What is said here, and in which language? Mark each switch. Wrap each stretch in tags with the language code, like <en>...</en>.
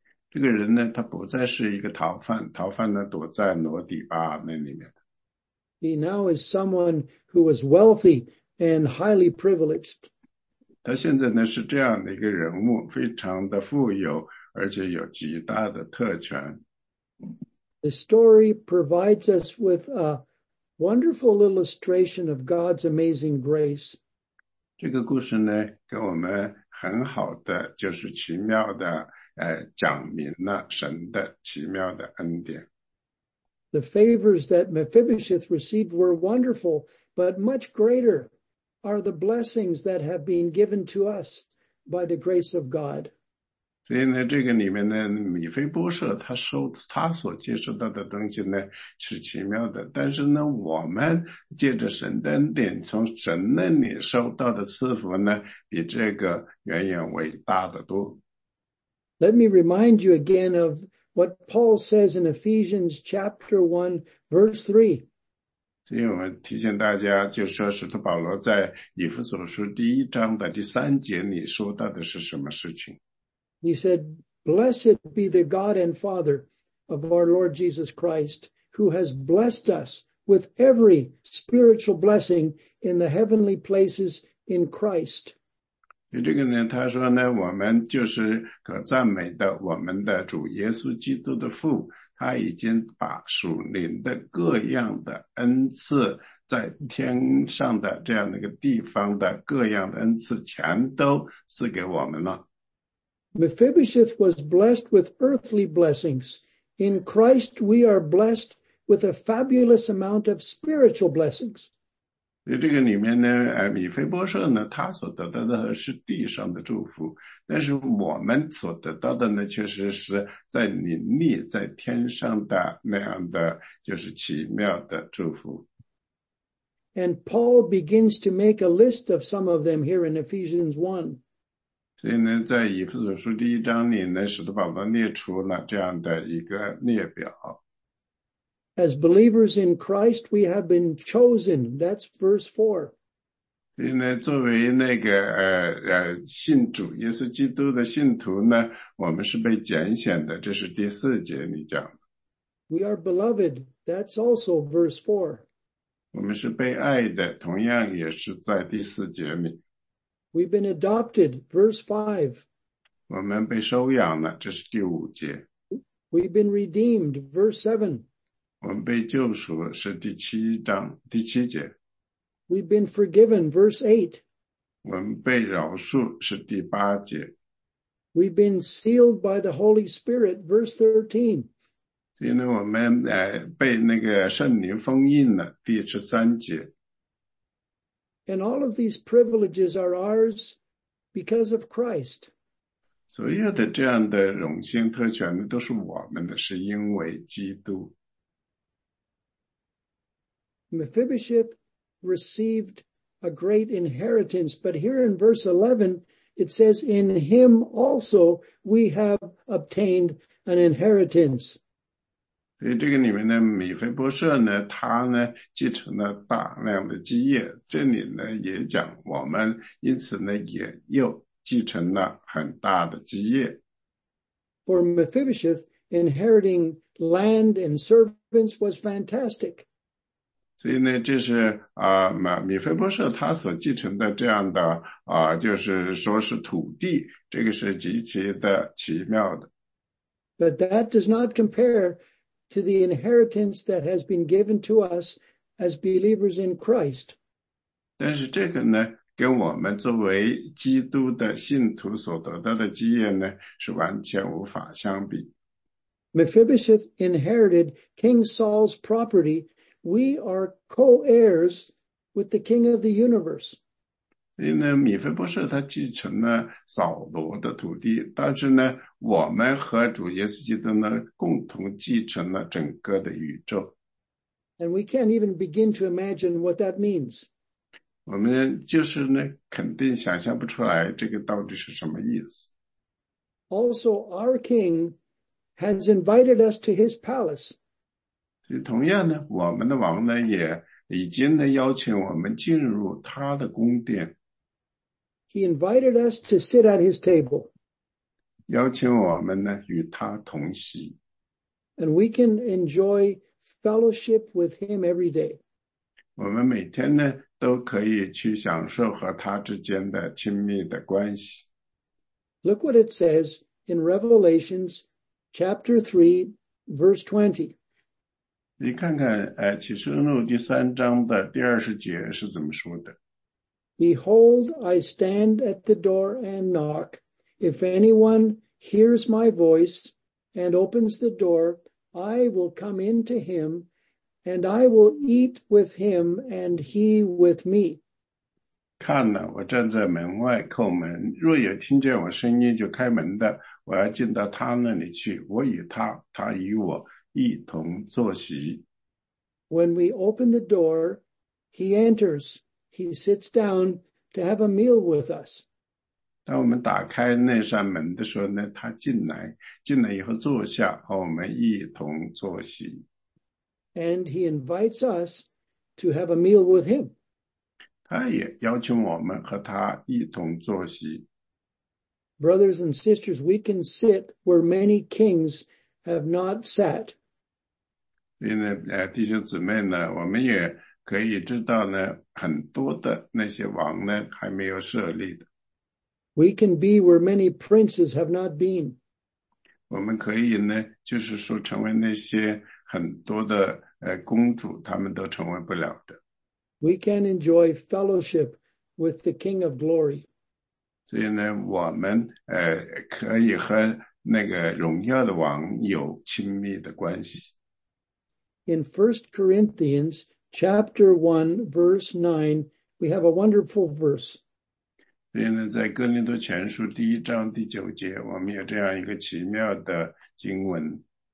<zh>这个人呢，他不再是一个逃犯呢，躲在罗底巴那里面。</zh> <en>He now is someone who was wealthy and highly privileged.</en> <zh>他现在呢是这样的一个人物，非常的富有，而且有极大的特权。</zh> <en>The story provides us with a wonderful illustration of God's amazing grace.</en> <zh>这个故事呢，给我们很好的，就是奇妙的，讲明了神的奇妙的恩典。</zh> <en>The favors that Mephibosheth received were wonderful, but much greater. Are the blessings that have been given to us by the grace of God.</en> <zh>所以呢，这个里面呢，米菲波设他所接受到的东西呢是奇妙的。但是呢，我们借着神的恩典，从神那里受到的赐福呢，比这个远远伟大的多。</zh> <en>Let me remind you again of what Paul says in Ephesians chapter 1, verse 3.</en> <zh>所以我们提醒大家，就说使徒保罗在以弗所书第一章的第三节里说到的是什么事情。</zh> <en>He said, Blessed be the God and Father of our Lord Jesus Christ, who has blessed us with every spiritual blessing in the heavenly places in Christ.</en> <zh>这个呢，他说呢，我们就是可赞美的，我们的主耶稣基督的父，他已经把属灵的各样的恩赐，在天上的这样的一个地方的各样的恩赐，全都赐给我们了。</zh> <en>Mephibosheth was blessed with earthly blessings. In Christ, we are blessed with a fabulous amount of spiritual blessings.</en> <zh>这个里面呢，米菲波设呢，他所得到的是地上的祝福，但是我们所得到的呢，确实是在灵力在天上的那样的就是奇妙的祝福。</zh> <en>And Paul begins to make a list of some of them here in Ephesians 1.</en> <zh>所以呢，在以弗所书第一章里呢，使徒保罗列出了这样的一个列表。</zh> <en>As believers in Christ, we have been chosen. That's verse 4.</en> <zh>所以呢，作为那个信主耶稣基督的信徒呢，我们是被拣选的。这是第四节你讲。</zh> <en>We are beloved. That's also verse 4.</en> <zh>我们是被爱的，同样也是在第四节里。</zh> <en>We've been adopted, verse 5.</en> <zh>我们被收养了，这是第五节。</zh> <en>We've been redeemed, verse 7.</en> <zh>我们被救赎是第七章，第七节。</zh> <en>We've been forgiven, verse 8.</en> <zh>我们被饶恕是第八节。</zh> <en>We've been sealed by the Holy Spirit, verse 13.</en> <zh>所以呢，我们被那个圣灵封印了，第十三节。</zh> <en>And all of these privileges are ours because of Christ.</en> <zh>所有的这样的荣幸特权呢，都是我们的，是因为基督。</zh> <en>Mephibosheth received a great inheritance, but here in verse 11, it says, in him also we have obtained an inheritance.</en> <zh>所以这个里面呢，米菲波设呢，他呢继承了大量的基业。这里呢也讲我们因此呢也又继承了很大的基业。</zh> <en>For Mephibosheth, inheriting land and servants was fantastic.</en> <zh>所以呢，这是米菲波设他所继承的这样的就是说是土地，这个是极其的奇妙的。</zh> <en>But that does not compare. To the inheritance that has been given to us as believers in Christ.</en> <zh>但是这个呢，跟我们作为基督的信徒所得到的基业呢，是完全无法相比。</zh> <en>Mephibosheth inherited King Saul's property. We are co-heirs with the King of the Universe.</en> <zh>所以呢，米菲波设他继承了扫罗的土地，但是呢，我们和主耶稣基督呢共同继承了整个的宇宙。</zh> <en>And we can't even begin to imagine what that means.</en> <zh>我们就是呢，肯定想象不出来这个到底是什么意思。</zh> <en>Also, our king has invited us to his palace.</en> <zh>所以同样呢，我们的王呢也已经呢邀请我们进入他的宫殿。</zh> <en>He invited us to sit at his table.</en> <zh>邀请我们呢与他同席。</zh> <en>And we can enjoy fellowship with him every day.</en> <zh>我们每天呢都可以去享受和他之间的亲密的关系。</zh> <en>Look what it says in Revelation chapter 3 verse 20.</en> <zh>你看看启示录第三章的第二十节是怎么说的。</zh> <en>Behold, I stand at the door and knock. If anyone hears my voice and opens the door, I will come into him and I will eat with him and he with me.</en> <zh>看哪，我站在门外叩门，若有听见我声音就开门的，我要进到他那里去，我与他，他与我一同坐席。</zh> <en>When we open the door, he enters. He sits down to have a meal with us.</en> <zh>当我们打开那扇门的时候呢，他进来以后坐下，和我们一同坐席。</zh> <en>And he invites us to have a meal with him.</en> <zh>他也邀请我们和他一同坐席。</zh> <en>Brothers and sisters, we can sit where many kings have not sat.</en> <zh>因为弟兄姊妹呢，我们也可以知道呢，很多的那些王呢还没有设立的。</zh> <en>We can be where many princes have not been.</en> <zh>我们可以呢，就是说成为那些很多的公主，他们都成为不了的。</zh> <en>We can enjoy fellowship with the King of Glory.</en> <zh>所以呢，我们可以和那个荣耀的王有亲密的关系。</zh> <en>In 1 Corinthians chapter 1 verse 9, we have a wonderful verse.</en> <zh>所以呢，在哥林多前书第一章第九节，我们有这样一个奇妙的经文。</zh>